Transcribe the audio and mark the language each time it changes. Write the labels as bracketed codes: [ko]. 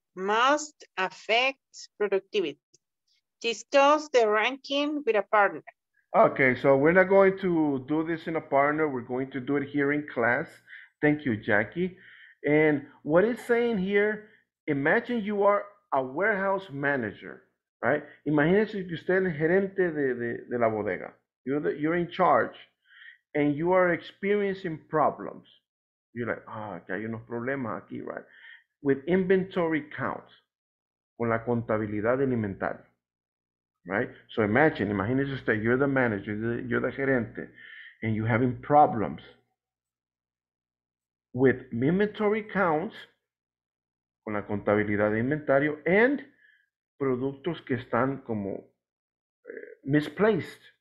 [en] Must affect productivity. Discuss the ranking with a partner. Okay, so we're not going to do this in a partner. We're going to do it here in class. Thank you, Jackie. And what it's saying here, imagine you are a warehouse manager, right? [es] Imagínese que usted es el gerente de la bodega. [en] You're in charge and you are experiencing problems. You're like, [es] que hay unos problemas aquí, right? [en] With inventory counts, [es] con la contabilidad del inventario, right? [en] So imagine usted, you're the manager, you're the gerente, and you're having problems with inventory counts, [es] con la contabilidad del inventario, [en] and [es] productos que están como [en] misplaced.